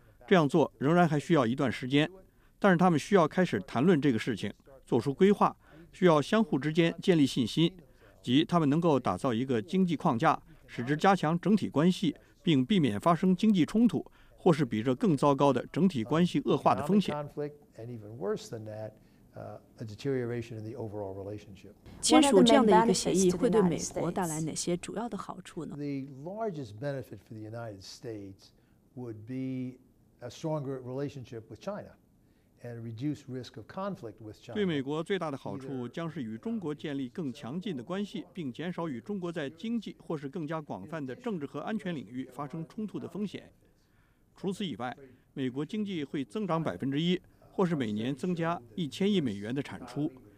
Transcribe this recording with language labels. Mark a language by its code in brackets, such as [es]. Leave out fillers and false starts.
[zh] 这样做仍然还需要一段时间，但是他们需要开始谈论这个事情，做出规划，需要相互之间建立信心，即他们能够打造一个经济框架，使之加强整体关系，并避免发生经济冲突，或是比这更糟糕的整体关系恶化的风险。签署这样的一个协议会对美国带来哪些主要的好处呢？ [en] The largest benefit for the United States would be a stronger relationship with China. [zh] 对美国最大的好处将是与中国建立更强劲的关系，并减少与中国在经济或是更加广泛的政治和安全领域发生冲突的风险。除此以外，美国经济会增长1%，或是每年增加1000亿美元的产出。